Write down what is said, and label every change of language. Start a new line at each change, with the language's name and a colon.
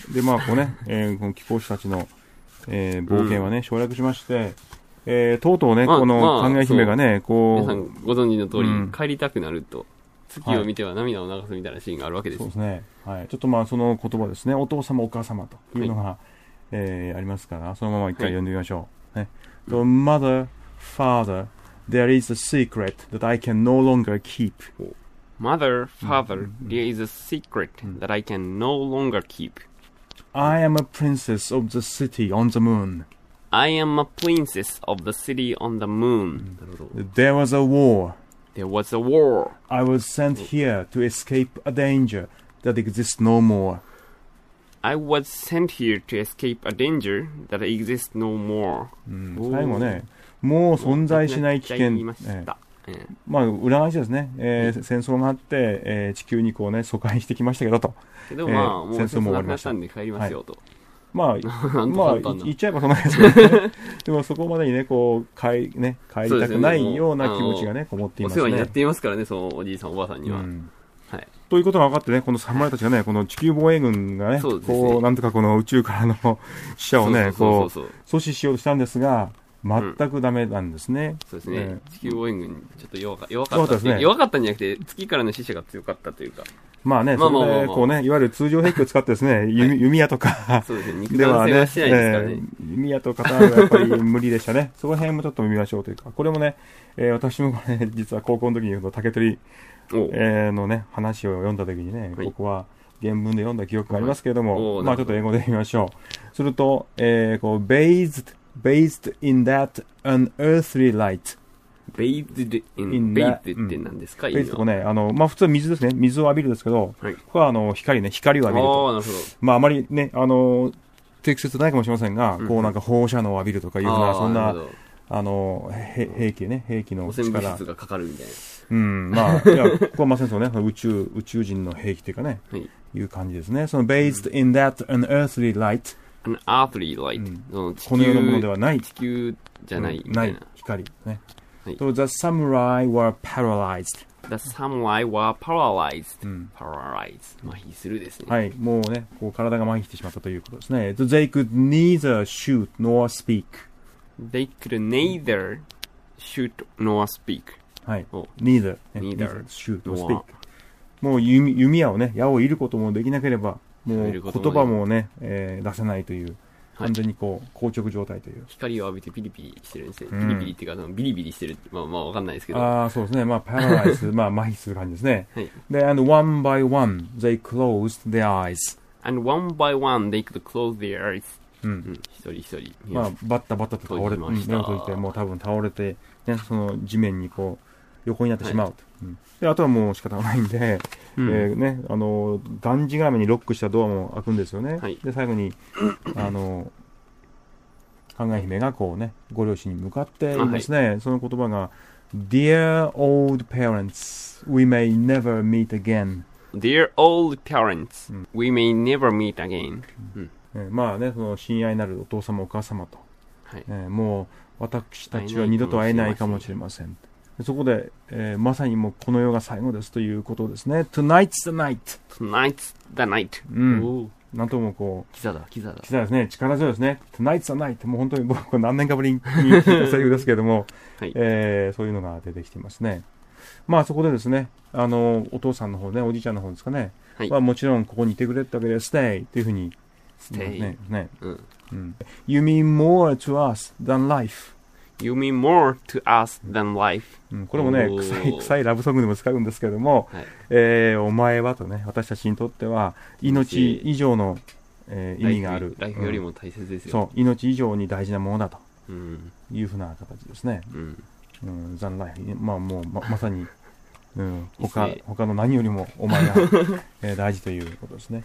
Japanese: で、まあ、こうね、この貴公子たちの、冒険はね、省略しまして、うん、とうとうね、まあ、このかぐや姫がね、こう。皆さんご存知の通り、うん、帰りたくなると。月を見ては涙を流すみたいなシーンがあるわけです。はい、そうですね。はい。ちょっとまあ、その言葉ですね、お父様、お母様というのが、はい、ありますから、そのまま一回読んでみましょう。
English: はい、ね、The mother, father, there is a secret that I can no longer keep. Mother, father, there is a secret that I can no longer keep. I am a princess of the city on the moon. I am a princess of the city on the moon. There was a war. There was a war. I was sent here to escape a danger. that exists no more. I was sent here to escape a danger that exists no more.
Japanese: 最後ね、もう存在しない危険。まあ、裏返しですね、戦争があって、地球にこう、ね、疎開してきましたけどと、けど、まあ、もう戦争も終わりました。戦争も終わりましたんで帰りますよと、はい、まあ、まあ、言っちゃえばそんなやつでもそこまでにね、こう、帰りたくないような気持ちがね、こもっていますね。お世話になっていますからね、そのおじいさんおばあさんには、うん、はい、ということが分かってね、この侍たちがね、この地球防衛軍が ね、うね、こうなんとかこの宇宙からの死者をね、こう阻止しようとしたんですが、全くダメなんですね。うん、そうですね、地球防衛軍ちょっと弱かったですね。弱かったんじゃなくて、月からの死者が強かったというか。まあね、まあ、それでこうね、いわゆる通常兵器を使ってですね、はい、弓矢とか、そうですね、肉弾戦はしないですからね。弓矢とかはやっぱり無理でしたね。その辺もちょっと見ましょうというか、これもね、私もこれ実は高校の時に言うと竹取り。のね、話を読んだときにね、はい、ここは原文で読んだ記憶がありますけれども、はい、まあちょっと英語で見ましょう。すると、こう、
English: based in that unearthly light。 based in that
Japanese: って何ですか、 based ね、あの、まあ普通は水ですね。水を浴びるですけど、はい、ここはあの、光ね、光を浴びると。なるほど。まああまりね、あの、適切ないかもしれませんが、うん、こうなんか放射能を浴びるとかいうのは、そんな、あの、兵器ね、兵器の力。汚染物質がかかるみたいな。うん、まあ、いや、ここはまさにそうね、宇宙人の兵器というかね、はい、いう感じですね。その、
English: based in that unearthly light。 an earthly light、うん。
Japanese: この世のものではない。地球じゃない。うん、ない。光。ね。
English: はい、the samurai were paralyzed。 the samurai were paralyzed、うん。
Japanese: paralyzed。 麻痺するですね。はい。もうね、こう体が麻痺してしまったということですね。
English: they could neither shoot nor speak。 they could neither shoot nor speak。はい、neither, neither shoot nor speak。
Japanese: もう弓矢をね、矢を射ることもできなければ、もう言葉もね、出せないという、はい、完全にこう硬直状態という、光を浴びてピリピリしてるんですね、うん、ピリピリっていうか、そのビリビリしてる、まあまあ分かんないですけど、ああそうですね、まあパラライズ、まあ、麻痺する感じですね、はい、
English: で、 and one by one they closed their eyes and one by one they could close their eyes、うん
Japanese: うん、一人一人、まあ、バッタバッタと倒れて、目を閉じて、もう多分倒れて、ね、その地面にこう横になってしまうと、はい、うん、であとはもう仕方がないんで、うん、ね、あの、がんじがらめにロックしたドアも開くんですよね、はい、で最後にあの、かぐや姫がこうね、ご両親に向かっていますね、はい、その言葉が
English: Dear old parents, we may never meet again Dear old parents, we may never meet again、う
Japanese: ん、まあね、その親愛なるお父様お母様と、はい、もう私たちは二度と会えないかもしれません、そこで、まさにもうこの世が最後ですということですね。
English: Tonight's the night. Tonight's the night.
Japanese: うん。なんともこう。キザだ、キザだ。キザですね。力強いですね。
English: Tonight's the night.
Japanese: もう本当に僕は何年かぶりに聞いたセリフですけれども、はい、そういうのが出てきていますね。まあそこでですね、あの、お父さんの方ね、おじいちゃんの方ですかね。はい。まあ、もちろんここにいてくれってわけで、stay っていうふうに言 stay. ね、うん。うん。
English: You mean more to us than life. You mean more to us than life、
Japanese: うん、これもね、臭いラブソングでも使うんですけども、はい、お前はとね、私たちにとっては命以上の、意味がある、ライフよりも大切ですよ、うん、そう、命以上に大事なものだと、うん、いうふうな形ですね、うんうん、
English: than life、
Japanese: まあもう まさに、うん、他の何よりもお前が、大事ということですね、